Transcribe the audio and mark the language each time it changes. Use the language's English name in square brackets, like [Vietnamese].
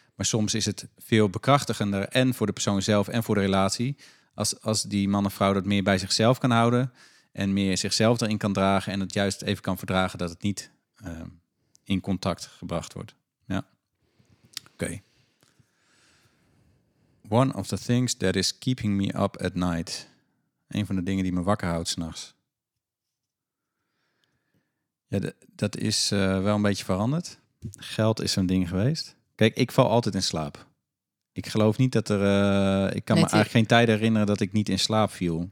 [Dutch] Maar soms is het veel bekrachtigender en voor de persoon zelf en voor de relatie, als die man of vrouw dat meer bij zichzelf kan houden en meer zichzelf erin kan dragen en het juist even kan verdragen dat het niet in contact gebracht wordt. Ja, oké. [English] One of the things that is keeping me up at night. [Dutch] Een van de dingen die me wakker houdt 's nachts. Ja, dat is wel een beetje veranderd. Geld is zo'n ding geweest. Kijk, ik val altijd in slaap. Ik geloof niet dat er... Eigenlijk geen tijd herinneren dat ik niet in slaap viel.